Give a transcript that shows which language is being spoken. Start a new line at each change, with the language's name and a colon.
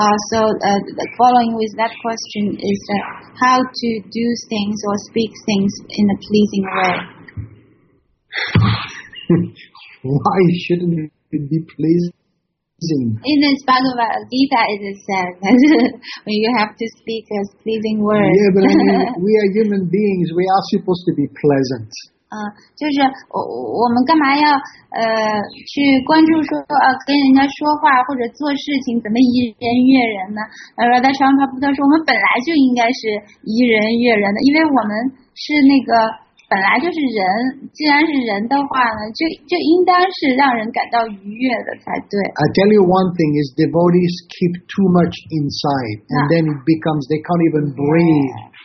English: So, following with that question is how to do things or speak things in a pleasing way. Why shouldn't it be pleasing? pleasing. In this Bhagavad Gita, it is said that when you have to speak a pleasing word. Yeah, but I mean, we are human beings. We are supposed to be pleasant.
Chinese: 就是我们干嘛要去关注说跟人家说话或者做事情怎么宜人悦人呢？而大乘佛菩萨说我们本来就应该是宜人悦人的，因为我们是那个本来就是人，既然是人的话呢，就应当是让人感到愉悦的才对。
English: I tell you one thing is devotees keep too much inside, and then it becomes they can't even breathe.